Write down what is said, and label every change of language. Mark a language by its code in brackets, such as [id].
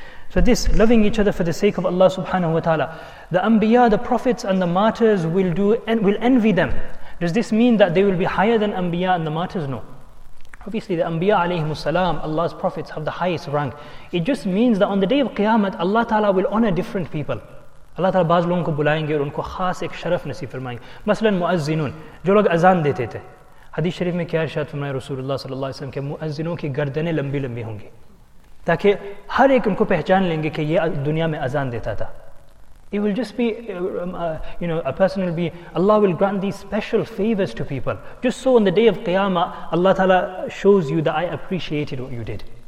[en] So this, loving each other for the sake of Allah Subhanahu Wa Ta'ala. The Anbiya, the prophets and the martyrs will envy them. Does this mean that they will be higher than Anbiya and the martyrs? No. Obviously the Anbiya alayhimus salam, Allah's prophets, have the highest rank. It just means that on the day of Qiyamah, Allah Ta'ala will honor different people. [ur] اللہ تعالیٰ بعض لوگوں کو بلائیں گے اور ان کو خاص ایک شرف نصیب فرمائیں گے. مثلاً مؤذنون, جو لوگ اذان دیتے تھے. حدیث شریف میں کیا ارشاد فرمایا رسول اللہ صلی اللہ علیہ وسلم کے مؤذنوں کی گردنے لمبی لمبی ہوں گی. تاکہ ہر ایک ان کو پہچان لیں گے کہ یہ دنیا میں اذان دیتا تھا. [en] It will just be, a person will be, Allah will grant these special favors to people. Just so on the day of Qiyamah, Allah Ta'ala shows you that I appreciated what you did.